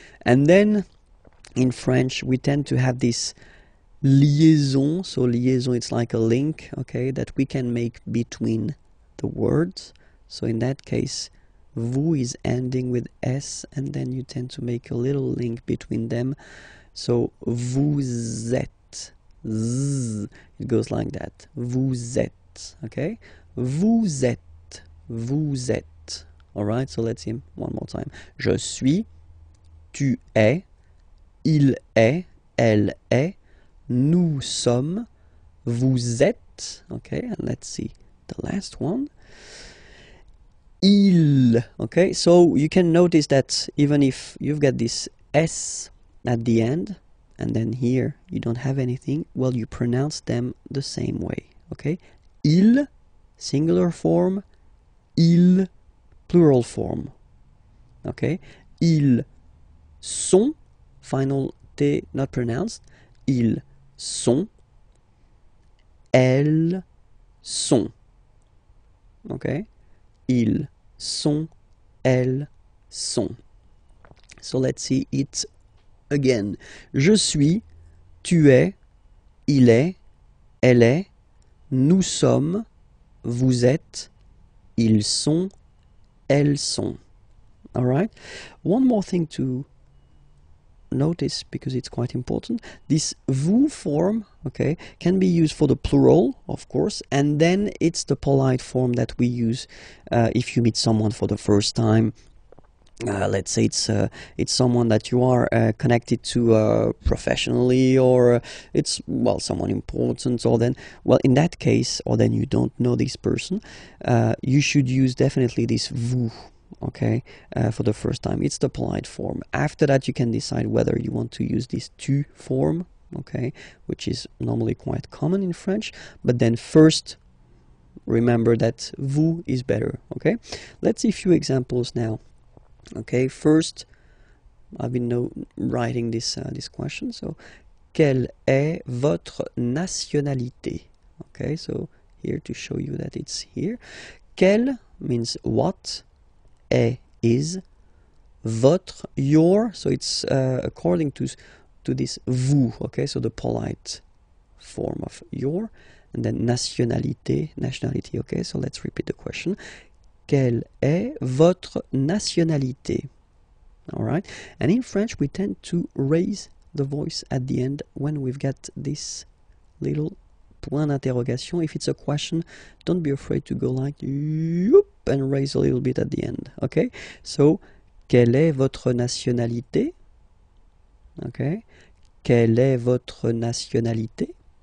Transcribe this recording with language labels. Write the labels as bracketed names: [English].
[English] And then in French, we tend to have this liaison. So liaison, it's like a link, okay, that we can make between the words. So in that case, vous is ending with S, and then you tend to make a little link between them. So [French] vous êtes, [English] z, it goes like that, vous êtes. [French] Okay, vous êtes, vous êtes. [English] All right, so let's see one more time. [French] Je suis, tu es, il est, elle est, nous sommes, vous êtes. [English] Okay, and let's see the last one. Il. Okay, so you can notice that even if you've got this S at the end, and then here you don't have anything, well, you pronounce them the same way. Okay, il, singular form, il, plural form. [French] Okay, ils sont, [English] final T not pronounced, [French] ils sont, elles sont. Okay, ils sont, elles sont. [English] So let's see it again. [French] Je suis, tu es, il est, elle est, nous sommes, vous êtes, ils sont, elles sont. [English] All right. One more thing to notice, because it's quite important. This vous form, okay, can be used for the plural, of course, and then it's the polite form that we use if you meet someone for the first time. Let's say it's someone that you are connected to professionally, or it's, well, someone important, or then, well, in that case, or then you don't know this person, you should use definitely this vous, okay, for the first time. It's the polite form. After that, you can decide whether you want to use this tu form, okay, which is normally quite common in French. But then first, remember that vous is better, okay? Let's see a few examples now. Okay, first, I've been writing this this question. [French] So, quelle est votre nationalité? [English] Okay, so here to show you that it's here. Quelle means what, est, is, votre, your, so it's according to this vous, okay, so the polite form of your, and then nationalité, okay, so let's repeat the question. [French] Quelle est votre nationalité? [English] All right, and in French we tend to raise the voice at the end when we've got this little [French] point d'interrogation. [English] If it's a question, don't be afraid to go like yup and raise a little bit at the end. Okay, so [French] quelle est votre nationalité? Okay, quelle est votre nationalité?